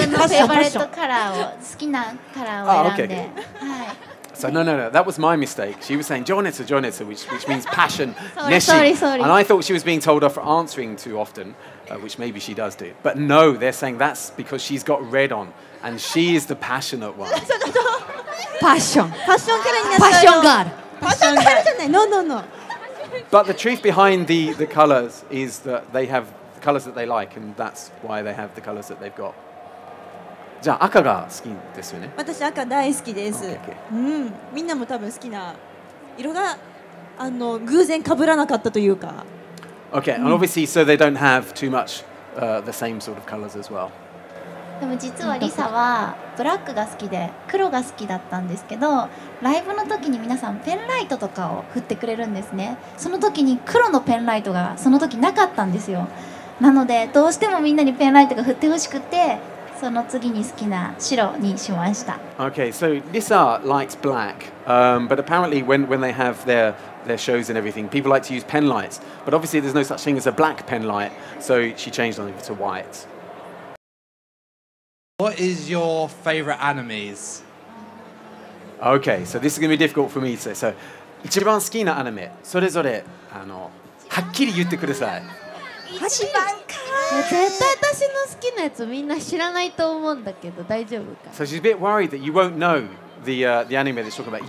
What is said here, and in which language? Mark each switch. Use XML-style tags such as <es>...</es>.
<ja>みんな自分のフェイバレットカラーを好きなカラーを選んで。</ja> <en>Ah, okay. So no, that was my mistake. She was saying jonetsu, which means passion, neshi. Sorry. And I thought she was being told off for answering too often, which maybe she does do. But no, they're saying that's because she's got red on, and she is the passionate one. Passion. Passion girl. Passion girl. Passion girl. No. But the truth behind the colors is that they have the colors that they like, and that's why they have the colors that they've got.</en> <ja>じゃあ赤が好きですよね。私赤大好きです。</ja> <en>Okay, okay.</en> <ja>うん、みんなも多分好きな色が偶然被らなかったというか。</ja> <en>Okay, and obviously, so they don't have too much the same sort of colors as well.</en> <ja>でも実はリサはブラックが好きで黒が好きだったんですけど、ライブの時に皆さんペンライトとかを振ってくれるんですね。その時に黒のペンライトがその時なかったんですよ。なのでどうしてもみんなにペンライトが振ってほしくて。その次に好きな白にしました。</ja> <en>Okay, so Lisa likes black, but apparently when they have their shows and everything, people like to use pen lights. But obviously there's no such thing as a black pen light, so she changed them to white. What is your favorite animes? Okay, so this is going to be difficult for me to say.</en> <ja>So, 一番好きなアニメ、それぞれはっきり言ってください。一番かわいい。絶対私の好きなやつみんな知らないと思うんだけど大丈夫か。</ja> <en>So she's a bit worried that you won't know the anime that's talking about.</en>